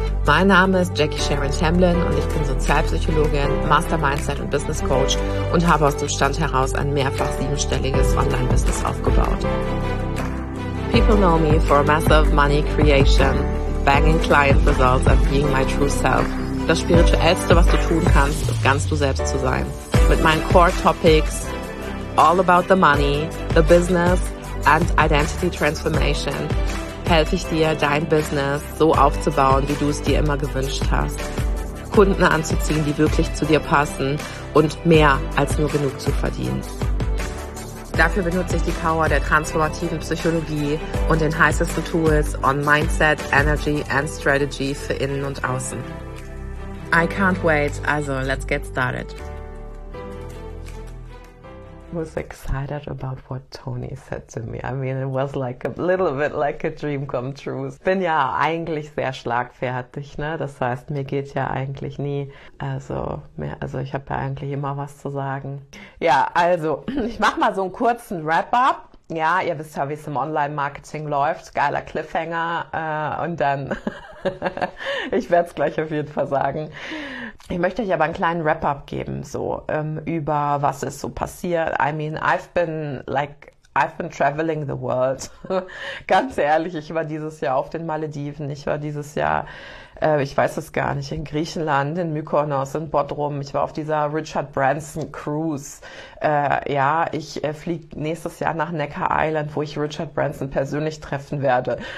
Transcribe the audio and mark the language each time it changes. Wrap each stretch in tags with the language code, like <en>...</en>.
<de>Mein Name ist Jackie Sharon Tamblyn und ich bin Sozialpsychologin, Master Mindset und Business Coach und habe aus dem Stand heraus ein mehrfach siebenstelliges Online-Business aufgebaut.</de> <en>People know me for massive money creation, banging client results and being my true self.</en> <de>Das Spirituellste, was du tun kannst, ist ganz du selbst zu sein. Mit meinen Core Topics,</de> <en>all about the money, the business and identity transformation,</en> <de>helfe ich dir, dein Business so aufzubauen, wie du es dir immer gewünscht hast. Kunden anzuziehen, die wirklich zu dir passen und mehr als nur genug zu verdienen. Dafür benutze ich die Power der transformativen Psychologie und den heißesten Tools</de> <en>on Mindset, Energy and Strategy</en> <de>für Innen und Außen.</de> <en>I can't wait, also let's get started. I was excited about what Tony said to me. I mean, it was like a little bit like a dream come true.</en> <de>Ich bin ja eigentlich sehr schlagfertig, ne? Das heißt, mir geht ja eigentlich nie. Also ich habe ja eigentlich immer was zu sagen. Ja, also ich mach mal so einen kurzen Wrap-up. Ja, ihr wisst ja, wie es im Online-Marketing läuft. Geiler Cliffhanger. Und dann, ich werde es gleich auf jeden Fall sagen. Ich möchte euch aber einen kleinen Wrap-up geben, so über was ist so passiert.</de> <en>I mean, I've been traveling the world.</en> <de>Ganz ehrlich, ich war dieses Jahr auf den Malediven. Ich war dieses Jahr, ich weiß es gar nicht, in Griechenland, in Mykonos, in Bodrum. Ich war auf dieser Richard Branson Cruise. Ich fliege nächstes Jahr nach Necker Island, wo ich Richard Branson persönlich treffen werde.</de>